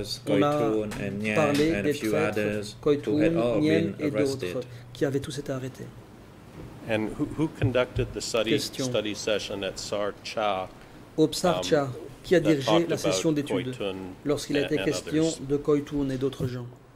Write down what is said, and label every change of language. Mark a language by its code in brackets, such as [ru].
[fr] on a parlé des traîtres Khoitun, Niem et d'autres qui avaient tous été arrêtés. [en] And who conducted the study session at Sar-Cha? [fr] Au Psa-Cha, qui a dirigé la session d'études lorsqu'il a été question de Khoitun et d'autres gens?